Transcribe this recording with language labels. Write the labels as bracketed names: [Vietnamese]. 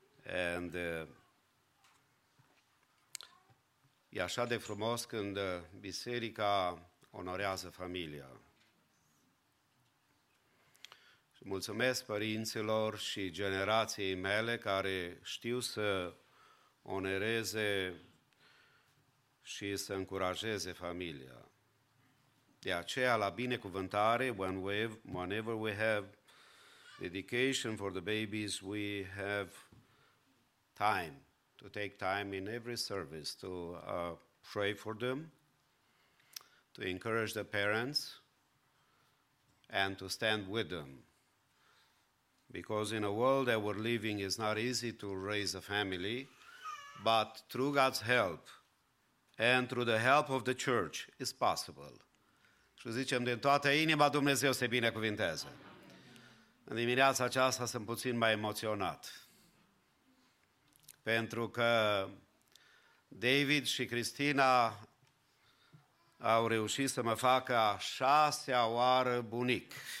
[Romanian] And e așa de frumos când biserica onorează familia. Și mulțumesc părinților și generației mele care știu să onoreze și să încurajeze familia. De aceea, la binecuvântare, [English] whenever we have dedication for the babies, we have time to take time in every service to pray for them, to encourage the parents, and to stand with them. Because in a world that we're living, it's not easy to raise a family, but through God's help and through the help of the church, it's possible. [Romanian] Și zicem din toată inima, Dumnezeu se binecuvinteze. În dimineața aceasta sunt puțin mai emoționat. Pentru că David și Cristina au reușit să mă facă a șasea oară bunic.